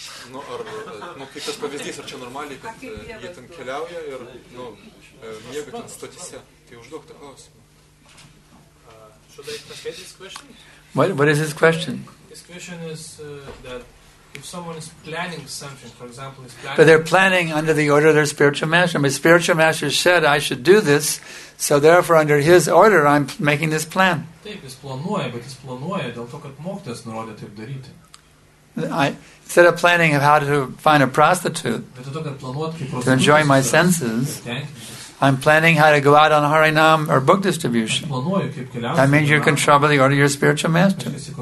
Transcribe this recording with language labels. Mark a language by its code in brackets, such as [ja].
[lt] Ну, ар, ну, kaip tas pavyzdys, ar čia normaliai, kad jie ten keliauja ir, nu, miega ten stotise. Tai užduok tą klausimą. [en] Should I take this question? What is his question? His question is that if someone is planning something, for example, is planning... But they're planning under the order of their spiritual master. My spiritual master said I should do this, so therefore under his order I'm making this plan. [lt] Taip, jis planuoja, bet jis planuoja dėl to, kad mokytas nurodė taip daryti. [en] Instead of planning of how to find a prostitute to enjoy my senses, I'm planning how to go out on Harinam or book distribution. That means you're controlling the order of your spiritual master.